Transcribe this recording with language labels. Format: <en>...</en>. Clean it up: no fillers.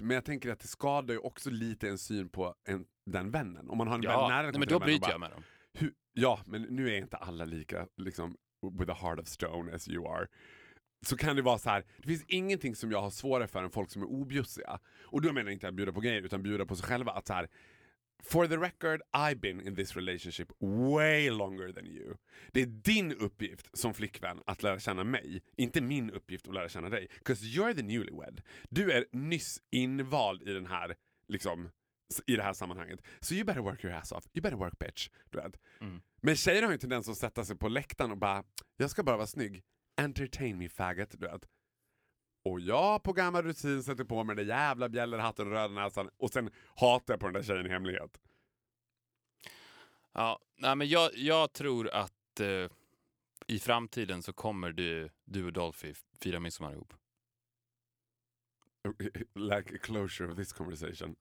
<sv>Men jag tänker att det skadar ju också lite en syn på den vännen. Om man har en vän nära... Nej, men då bryter jag med dem. Ja, men nu är inte alla lika liksom</sv> <en>with a heart of stone as you are.</en> <sv>Så kan det vara så här, det finns ingenting som jag har svårare för än folk som är objussiga. Och då menar jag inte att bjuda på grejer, utan bjuda på sig själva. Att så här,</sv> <en>for the record, I've been in this relationship way longer than you.</en> <sv>Det är din uppgift som flickvän att lära känna mig. Inte min uppgift att lära känna dig.</sv> <en>Because you're the newlywed.</en> <sv>Du är nyss invald i den här, liksom... i det här sammanhanget.</sv> <en>So you better work your ass off. You better work, bitch.</en> <sv>Du vet.</sv> <en>Mm.</en> <sv>Men tjejer har ju tendens att sätta sig på läktaren och bara, jag ska bara vara snygg.</sv> <en>Entertain me, faggot.</en> <sv>Du vet. Och jag på gammal rutin sätter på mig den jävla bjällerhatten och röda näsan och sen hatar jag på den där tjejen i hemlighet. Ja, nej, men jag tror att i framtiden så kommer du och Dolphy fira midsommar ihop.</sv> <en>Like a closure of this conversation.</en>